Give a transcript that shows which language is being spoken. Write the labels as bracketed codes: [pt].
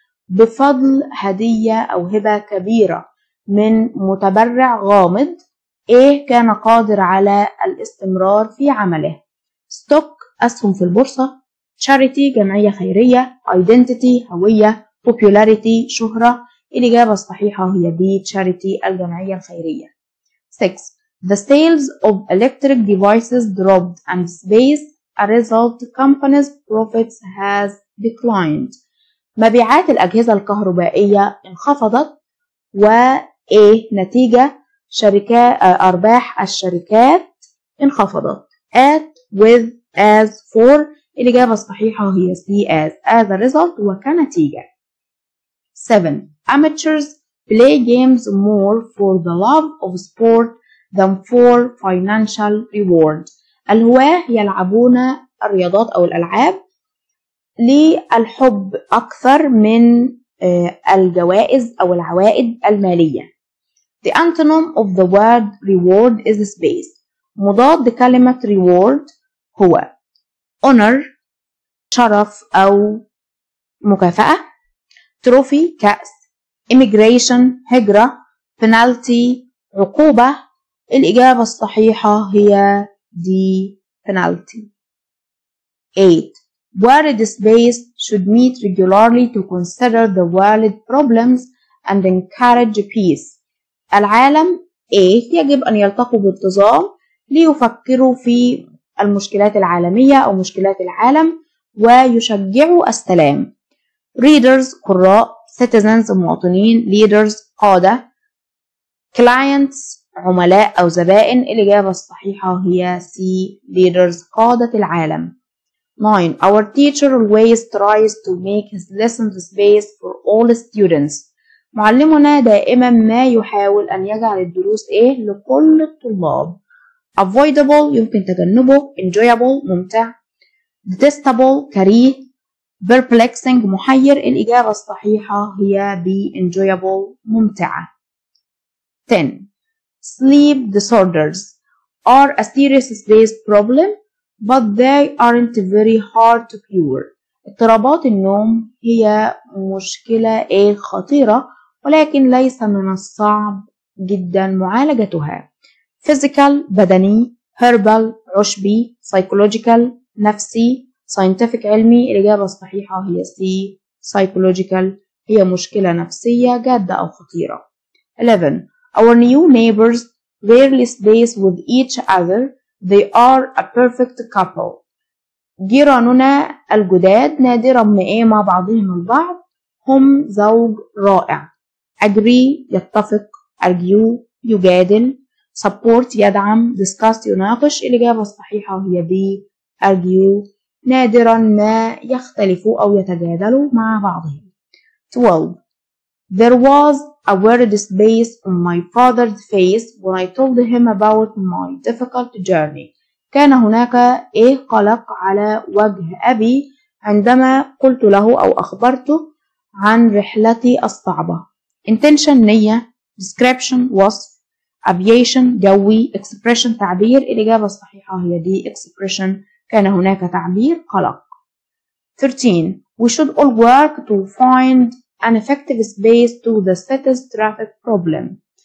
[ar] بفضل هدية أو هبة كبيرة من متبرع غامض, إيه كان قادر على الاستمرار في عمله. stock أسهم في البورصة, charity جمعية خيرية, identity هوية, popularity شهرة. الإجابة الصحيحة هي B charity الجمعية الخيرية. [en] 6. the sales of electric devices dropped and space a result company's profits has declined. [ar] مبيعات الأجهزة الكهربائية انخفضت و A نتيجة شركات أرباح الشركات انخفضت. [en] at with as for. [ar] الإجابة الصحيحة هي C [en] as a result [ar] وكنتيجة. [en] 7. amateurs play games more for the love of sport than for financial reward. [ar] الهواة يلعبون الرياضات أو الألعاب للحب أكثر من الجوائز أو العوائد المالية. [en] The antonym of the word reward is space. [ar] مضاد كلمة reward هو honor شرف أو مكافأة, trophy كأس, immigration هجرة, penalty عقوبة. الإجابة الصحيحة هي D penalty. [en] 8. world space should meet regularly to consider the world problems and encourage peace. [ar] العالم إيه يجب أن يلتقوا بانتظام ليفكروا في المشكلات العالمية أو مشكلات العالم ويشجعوا السلام. readers قراء, citizens مواطنين, leaders قادة, clients عملاء أو زبائن. الإجابة الصحيحة هي C leaders قادة العالم. [en] 9. our teacher always tries to make his lessons space for all students. [ar] معلمنا دائما ما يحاول أن يجعل الدروس إيه لكل الطلاب. avoidable يمكن تجنبه, enjoyable ممتع, detestable كريه, perplexing محير. الإجابة الصحيحة هي B enjoyable ممتعة. [en] 10. sleep disorders are a serious space problem but they aren't very hard to cure. [ar] اضطرابات النوم هي مشكلة إيه خطيرة ولكن ليس من الصعب جدا معالجتها. physical بدني, herbal عشبي, psychological نفسي, scientific علمي. الإجابة الصحيحة هي C psychological, هي مشكلة نفسية جادة أو خطيرة. [en] 11. our new neighbors rarely space with each other, they are a perfect couple. [ar] جيراننا الجداد نادرا ما إيه مع بعضهم البعض, هم زوج رائع. agree يتفق, argue يجادل, support يدعم, discuss يناقش. الإجابة الصحيحة هي B argue, نادرا ما يختلفوا أو يتجادلوا مع بعضهم. [en] 12. there was a worried space on my father's face when I told him about my difficult journey. [ar] كان هناك إيه قلق على وجه أبي عندما قلت له أو أخبرته عن رحلتي الصعبة. intention نية, description وصف, aviation جوي, expression تعبير. الإجابة الصحيحة هي دي expression, كان هناك تعبير قلق. [en] 13. we should all work to find an effective space to the city's traffic problem.